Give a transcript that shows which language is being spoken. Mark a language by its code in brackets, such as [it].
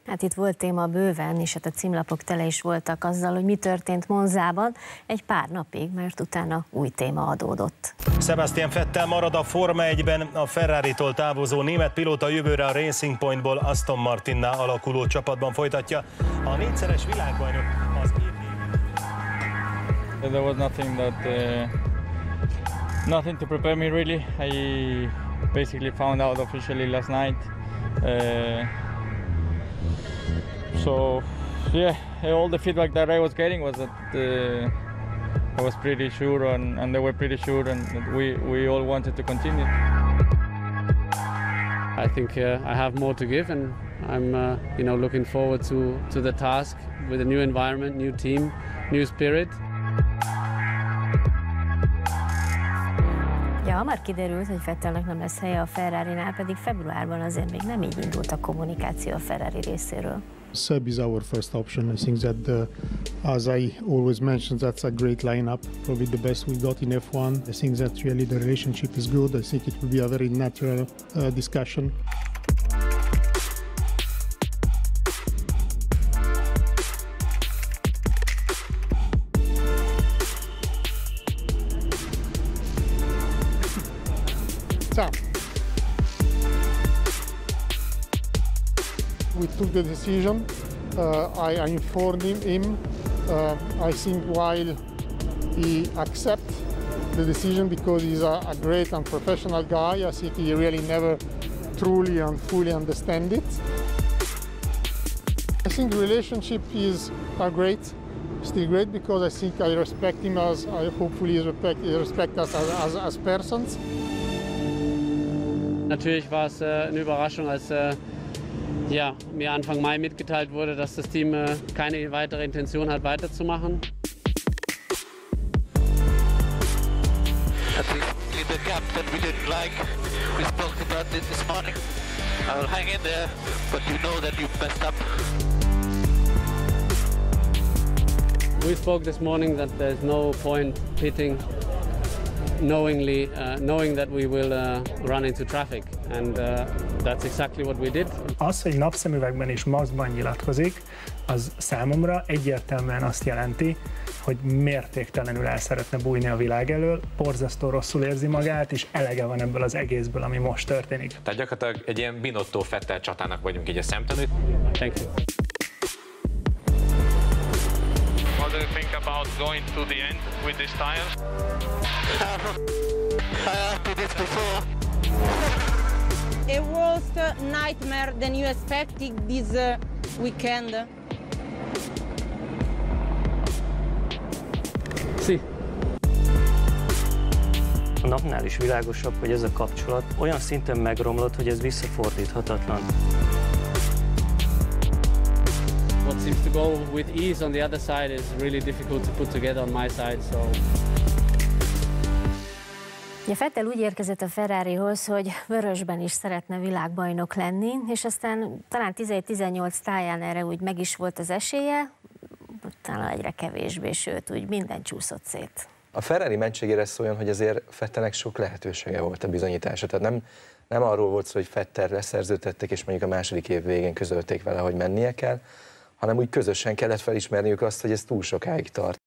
[hu] Hát itt volt téma bőven, és hát a címlapok tele is voltak azzal, hogy mi történt Monzában egy pár napig, mert utána új téma adódott. Sebastian Vettel marad a Forma 1-ben, a Ferrari-tól távozó német pilóta jövőre a Racing Pointból Aston Martinnál alakuló csapatban folytatja. A négyszeres világbajnok az írni. [en] There was nothing to prepare me really. I basically found out officially last night. All the feedback that I was getting was that I was pretty sure and they were pretty sure and that we all wanted to continue. I think I have more to give and I'm looking forward to the task with a new environment, new team, new spirit. [hu] Már kiderült, hogy Vettelnek nem lesz helye a Ferrari-nál, pedig februárban azért még nem így indult a kommunikáció a Ferrari részéről. [en] Seb is our first option. I think that, as I always mention, that's a great lineup, probably the best we got in F1. I think that really the relationship is good. I think it will be a very natural discussion. The decision. I informed him. I think while he accepts the decision because he's a great and professional guy, I think he really never truly and fully understand it. I think relationship is still great because I think I respect him as I hopefully respect us as persons. [de] Natürlich war es eine Überraschung, als ja, mir Anfang Mai mitgeteilt wurde, dass das Team keine weitere Intention hat, weiterzumachen. [en] The captain, we didn't like. We spoke about this morning. I will hang in there, but you know that you messed up. We spoke this morning that there's no point pitting knowingly, knowing that we will run into traffic. And that's exactly what we did. [hu] Az, hogy napszemüvegben és maszkban nyilatkozik, az számomra egyértelműen azt jelenti, hogy mértéktelenül el szeretne bújni a világ elől, borzasztó rosszul érzi magát, és elege van ebből az egészből, ami most történik. Tehát gyakorlatilag egy ilyen Binotto-Fettel csatának vagyunk így a szemtanúi. [en] Thank you. What do you think about going to the end with this tire? I did this before. The worst nightmare than you expected this weekend. [it] Sì. [hu] A napnál is világosabb, hogy ez a kapcsolat olyan szinten megromlott, hogy ez visszafordíthatatlan. [en] What seems to go with ease on the other side is really difficult to put together on my side, so... [hu] Ja, Vettel úgy érkezett a Ferrarihoz, hogy vörösben is szeretne világbajnok lenni, és aztán talán 17-18 táján erre úgy meg is volt az esélye, utána egyre kevésbé, sőt, úgy minden csúszott szét. A Ferrari mentségére szóljon, hogy azért Vettelnek sok lehetősége volt a bizonyítása, tehát nem arról volt szó, hogy Vettel leszerződtettek, és mondjuk a második év végén közölték vele, hogy mennie kell, hanem úgy közösen kellett felismerniük azt, hogy ez túl sokáig tart.